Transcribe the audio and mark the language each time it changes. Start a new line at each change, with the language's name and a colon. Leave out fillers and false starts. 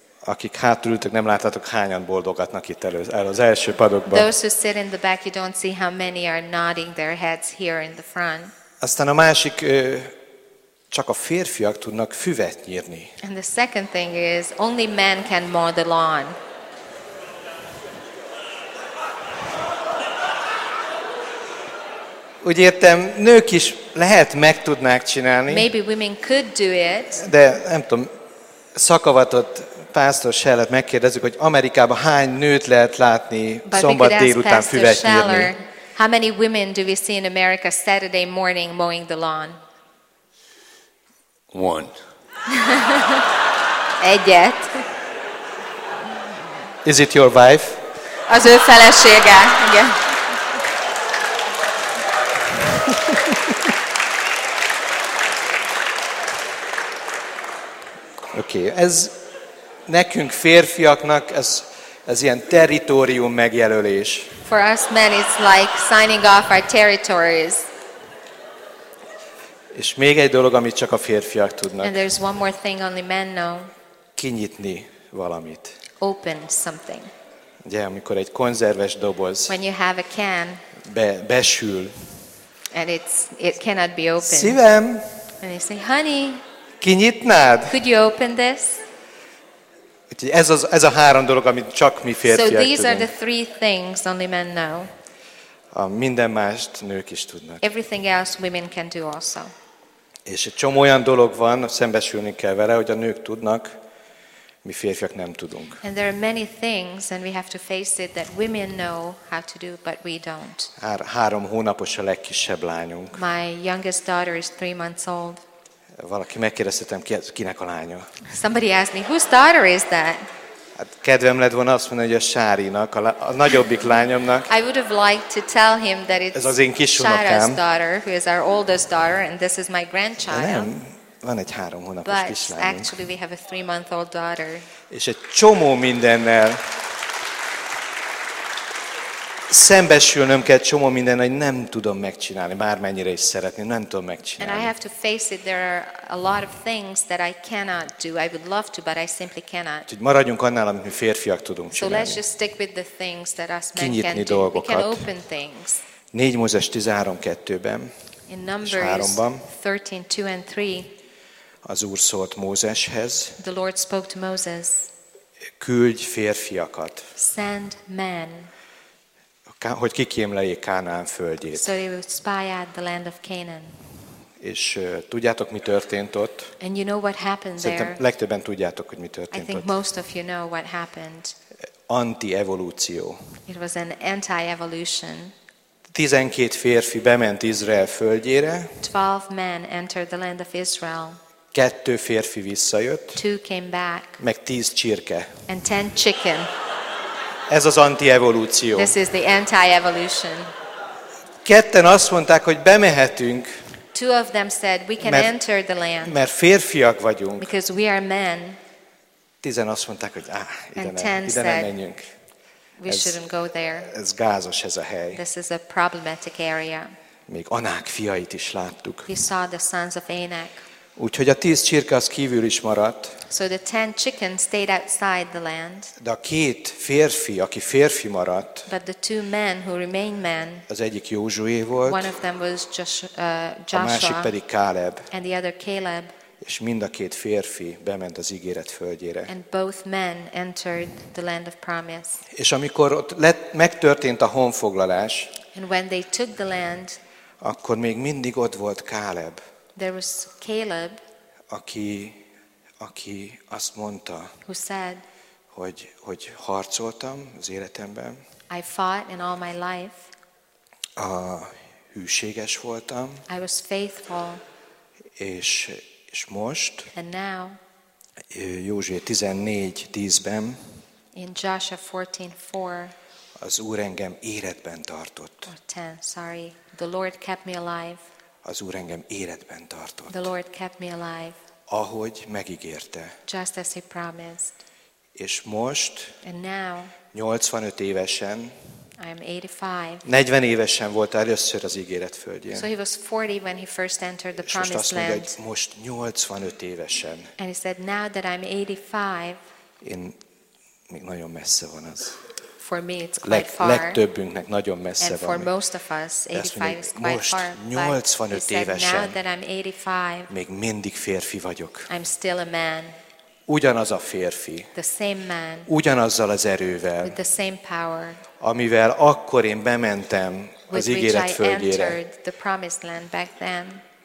Hungarian: Akik hátul ültök, nem láttátok hányan boldogatnak itt az első padokban.
English: Those who sit in the back, you don't see how many are nodding their heads here in the front.
Hungarian: Aztán a másik, csak a férfiak tudnak füvet nyírni.
English: And the second thing is, only men can mow the lawn.
Hungarian: Úgy értem, nők is lehet meg tudnák csinálni.
English: Maybe women could do it.
Hungarian: De nem tudom, szakavatott Pásztor Schellert megkérdezzük, hogy Amerikában hány nőt lehet látni szombat délután füvet nyírni.
English: How many women do we see in America Saturday morning mowing the lawn? One.
Hungarian: Egyet.
English: Is it your wife?
Hungarian: Az ő felesége, igen. Oké, ez nekünk férfiaknak ez ilyen territórium megjelölés.
English: For us men it's like signing off our territories.
Hungarian: És még egy dolog, amit csak a férfiak tudnak.
English: And there's one more thing only men know.
Hungarian: Kinyitni valamit.
English: Open something.
Hungarian: Ugye, amikor egy konzerves doboz.
English: When you have a can.
Hungarian: Besül.
English: And it cannot be opened.
Hungarian: Szívem.
English: And they say, honey.
Hungarian: Kinyitnád?
English: Could you open this?
Hungarian: Ez a három dolog, amit csak mi férfiak tudunk.
English: So these are the three things only men know.
Hungarian: A minden mást nők is tudnak.
English: Everything else women can do also.
Hungarian: És egy csomó olyan dolog van, szembesülni kell vele, hogy a nők tudnak, mi férfiak nem tudunk.
English: And there are many things and we have to face it that women know how to do but we don't.
Hungarian: 3 hónapos a legkisebb lányunk.
English: My youngest daughter is 3 months old.
Hungarian: Valaki megkérdeztetem, kinek a lánya.
English: Somebody asked me, whose daughter is that?
Hungarian: Hát kedvem lett volna azt mondani, hogy a Sárinak, a nagyobbik lányomnak.
English: I would have liked to tell him that it's Sára's daughter, who is our oldest daughter, and this is my grandchild.
Hungarian: Nem, van egy 3 hónapos
English: but
Hungarian: kislányunk.
English: But actually we have a 3-month-old daughter.
Hungarian: És egy csomó mindennel szembesülnöm kell csomó minden, hogy nem tudom megcsinálni, bármennyire is szeretni, nem tudom megcsinálni.
English: And I have to face it, there are a lot of things that I cannot do. I would love to, but I simply cannot.
Hungarian: Úgyhogy maradjunk annál, amit mi férfiak tudunk csinálni.
English: So let's just stick with the things that us men
Hungarian: kinyitni dolgokat.
English: Do. We can open things.
Hungarian: 4 Mózes 13:2-ben.
English: In Numbers 13:2 and 3.
Hungarian: Az Úr szólt Mózeshez.
English: The Lord spoke to Moses.
Hungarian: Küldj férfiakat.
English: Send men.
Hungarian: Hogy kikémleljék Kánaán földjét.
English: So they would spy out the land of Canaan.
Hungarian: És tudjátok, mi történt ott?
English: And you know what happened there?
Hungarian: Szerintem legtöbben tudjátok, hogy mi történt ott.
English: I think most of you know what happened.
Hungarian: Anti-evolúció.
English: It was an anti-evolution.
Hungarian: 12 férfi bement Izrael földjére.
English: 12 men entered the land of Israel.
Hungarian: 2 férfi visszajött.
English: 2 came back.
Hungarian: Meg 10 csirke.
English: And 10 chicken.
Hungarian: Ez az anti-evolúció.
English: This is the anti-evolution.
Hungarian: Ketten azt mondták, hogy bemehetünk.
English: Two of them said we can enter the land.
Hungarian: Mert férfiak vagyunk.
English: Because we are men.
Hungarian: Tizen azt mondták, hogy ide nem menjünk.
English: We shouldn't go there.
Hungarian: Ez gázos ez a hely.
English: This is a problematic area.
Hungarian: Még Anák fiait is láttuk.
English: We saw the sons of Anak.
Hungarian: Úgyhogy a 10 csirke az kívül is maradt.
English: So the 10 chicken stayed outside the land.
Hungarian: De a 2 férfi, aki férfi maradt.
English: But the 2 men who remained men.
Hungarian: Az egyik Józsué volt.
English: One of them was Joshua.
Hungarian: A másik pedig Káleb.
English: And the other Caleb.
Hungarian: És mind a 2 férfi bement az ígéret földjére.
English: And both men entered the land of promise.
Hungarian: És amikor ott megtörtént a honfoglalás.
English: And when they took the land.
Hungarian: Akkor még mindig ott volt Káleb.
English: There was Caleb,
Hungarian: aki azt mondta,
English: who said,
Hungarian: hogy harcoltam az életemben.
English: I fought in all my life.
Hungarian: A hűséges voltam.
English: I was faithful.
Hungarian: És most.
English: And now.
Hungarian: Józsué 14:10-ben.
English: In Joshua 14:4.
Hungarian: Az Úr engem életben tartott.
English: The Lord kept me alive.
Hungarian: Az Úr engem életben tartott.
English: The Lord kept me alive.
Hungarian: Ahogy megígérte.
English: Just as he promised.
Hungarian: És most,
English: and now,
Hungarian: 85 évesen,
English: I am 85.
Hungarian: 40 évesen volt először az ígéret földjén.
English: So he was 40 when he first entered the promised land.
Hungarian: És most azt mondja, hogy most 85 évesen.
English: And he said, now that I'm 85.
Hungarian: Én még nagyon messze van az.
English: For me it's quite far.
Hungarian: Legtöbbünknek nagyon messze van.
English: And for most of us 85 is quite
Hungarian: most
English: far.
Hungarian: 85 évesen.
English: Now that I'm 85.
Hungarian: Még mindig férfi vagyok.
English: I'm still a man.
Hungarian: Ugyanaz a férfi.
English: The same man.
Hungarian: Ugyanazzal az erővel.
English: With the same power.
Hungarian: Amivel akkor én bementem az ígéret földjére.
English: With which I entered the promised land back then.